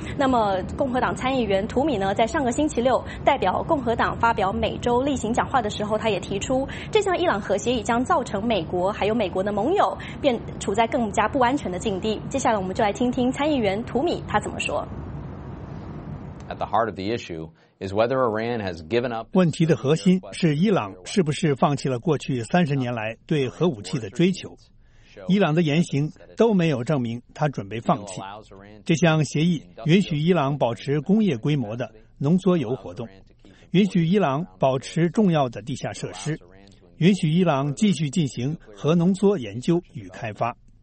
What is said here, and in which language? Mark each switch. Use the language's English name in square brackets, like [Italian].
[Chinese] 那么共和党参议员图米呢，在上个星期六代表共和党发表每周例行讲话的时候，他也提出这项伊朗核协议将造成美国还有美国的盟友便处在更加不安全的境地。接下来我们就来听听参议员图米他怎么说。 [English] At the heart of the issue is whether Iran has given up. [Chinese] 问题的核心是伊朗是不是放弃了过去30年来对核武器的追求。伊朗的言行都没有证明他准备放弃。这项协议允许伊朗保持工业规模的浓缩铀活动，允许伊朗保持重要的地下设施，允许伊朗继续进行核浓缩研究与开发。